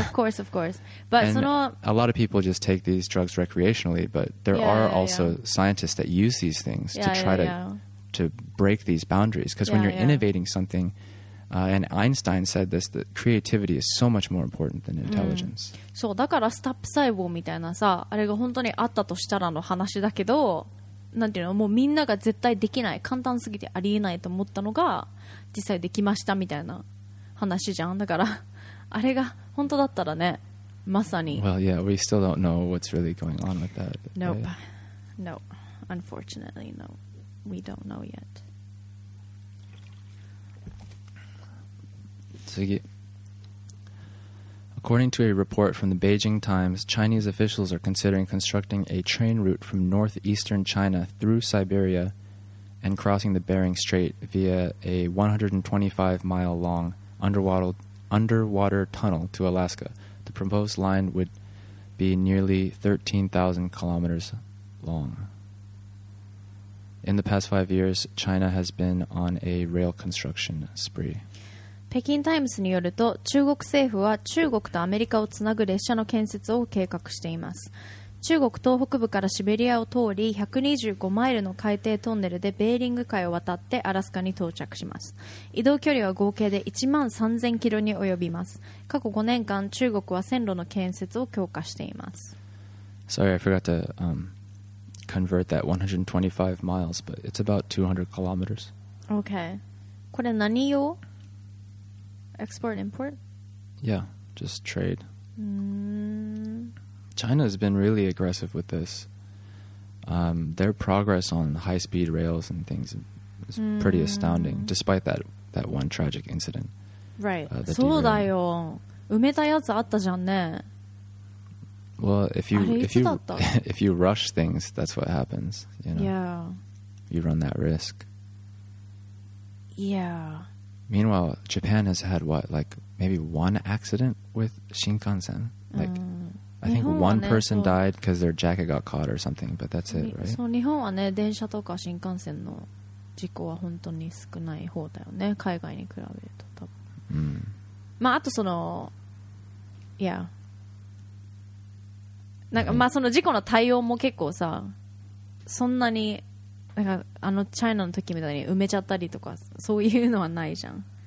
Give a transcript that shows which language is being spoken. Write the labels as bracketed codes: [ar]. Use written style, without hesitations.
[en] of course. But a lot of people just take these drugs recreationally, but there are also scientists that use these things to try to break these boundaries. Because when you're innovating something... and Einstein said this, that creativity is so much more important than intelligence. [ja] そう、だからスタップ細胞みたいなさ、あれが本当にあったとしたらの話だけど、なんていうの、もうみんなが絶対できない、簡単すぎてありえないと思ったのが、実際できましたみたいな話じゃん。だから、あれが本当だったらね、まさに。 [en] Well, yeah, we still don't know what's really going on with that. Nope. No. Unfortunately, no. We don't know yet. According to a report from the Beijing Times, Chinese officials are considering constructing a train route from northeastern China through Siberia and crossing the Bering Strait via a 125-mile-long underwater tunnel to Alaska. The proposed line would be nearly 13,000 kilometers long. In the past 5 years, China has been on a rail construction spree. [ja] 北京タイムスによると中国政府は中国とアメリカをつなぐ列車の建設を計画しています。中国東北部からシベリアを通り125マイルの海底トンネルでベーリング海を渡ってアラスカに到着します。移動距離は合計で1万3000キロに及びます。過去5年間中国は線路の建設を強化しています。 [en] Sorry, I forgot to、convert that 125 miles, but it's about 200 kilometers. Okay. [ja] これ何用? [en] Export, import? Yeah, just trade.、 China has been really aggressive with this.、their progress on high-speed rails and things is pretty astounding, despite that one tragic incident. [ja] Right. そうだよ。埋めたやつあったじゃんね。 [en] Well, if you rush things, that's what happens. You know, yeah. You run that risk. Yeah. Meanwhile, Japan has had what, like maybe one accident with Shinkansen. Like, I think one person died because their jacket got caught or something. But that's it, right? [ja] そう、日本はね、電車とか新幹線の事故は本当に少ない方だよね。海外に比べると多分。まああとその、yeah. なんかまあその事故の対応も結構さそんなになんかあのチャイナの時みたいに埋めちゃったりとかそういうのはないじゃん、